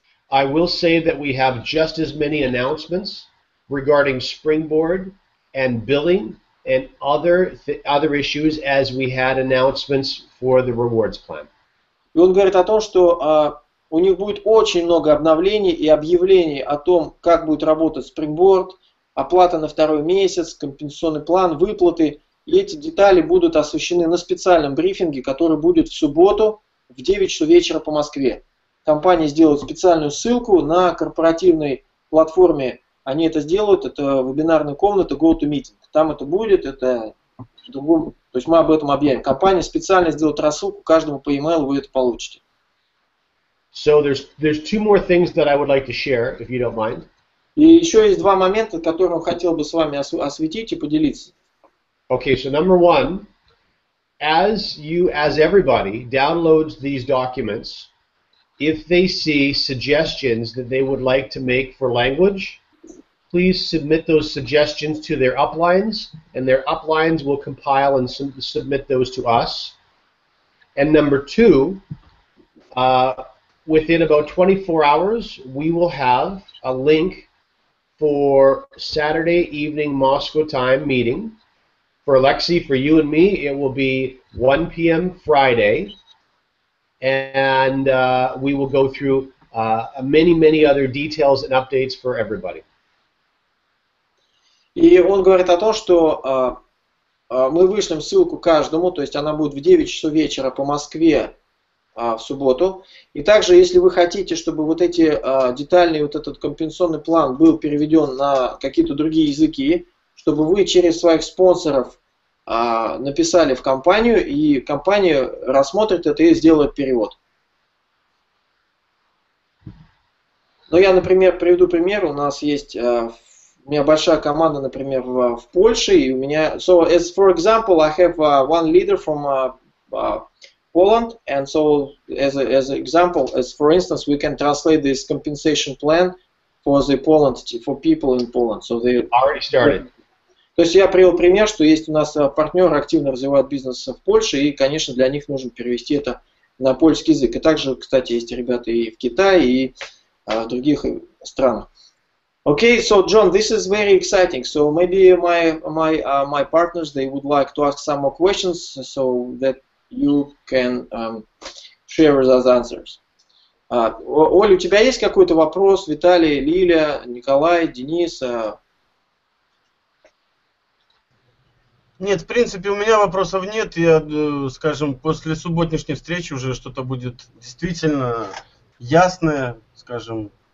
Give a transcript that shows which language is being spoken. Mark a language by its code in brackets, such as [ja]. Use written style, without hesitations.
[en] I will say that we have just as many announcements regarding Springboard and billing and other issues as we had announcements for the rewards plan. [ru] И он говорит о том, что... У них будет очень много обновлений и объявлений о том, как будет работать Springboard, оплата на второй месяц, компенсационный план, выплаты. И эти детали будут освещены на специальном брифинге, который будет в субботу в 9 часов вечера по Москве. Компания сделает специальную ссылку на корпоративной платформе. Они это сделают, это вебинарная комната GoToMeeting. Там это будет, это в другом, то есть мы об этом объявим. Компания специально сделает рассылку, каждому по e-mail вы это получите. [en] So there's two more things that I would like to share, if you don't mind. [ru] И еще есть два момента, которые я хотел бы с вами осветить и поделиться. [en] Okay, so number one, as you, as everybody, downloads these documents, if they see suggestions that they would like to make for language, please submit those suggestions to their uplines, and their uplines will compile and submit those to us. And number two, within about 24 hours, we will have a link for Saturday evening Moscow time meeting. For Alexey, for you and me, it will be 1 p.m. Friday. And we will go through many, many other details and updates for everybody. [ru] И он говорит о том, что мы вышлем ссылку каждому, то есть она будет в 9 часов вечера по Москве, в субботу. И также, если вы хотите, чтобы вот эти детальные, вот этот компенсационный план был переведен на какие-то другие языки, чтобы вы через своих спонсоров написали в компанию, и компания рассмотрит это и сделает перевод. Ну, я, например, приведу пример. У нас есть, у меня большая команда, например, в Польше, и у меня... [en] So, as for example, I have one leader from... Poland, and so as an example, as for instance, we can translate this compensation plan for the Poland for people in Poland. So they already started. [ru] То есть я привел пример, что есть у нас партнер, активно развивает бизнес в Польше, и, конечно, для них нужно перевести это на польский язык. И также, кстати, есть ребята и в Китае, и в других странах. [en] Okay, so John, this is very exciting. So maybe my partners, they would like to ask some more questions, so that you can share with us answers. [ru] Оль, у тебя есть какой-то вопрос? Виталий, Лиля, Николай, Денис? Нет, в принципе, у меня вопросов нет. Я, скажем, после субботнешней встречи уже что-то будет действительно ясное, скажем.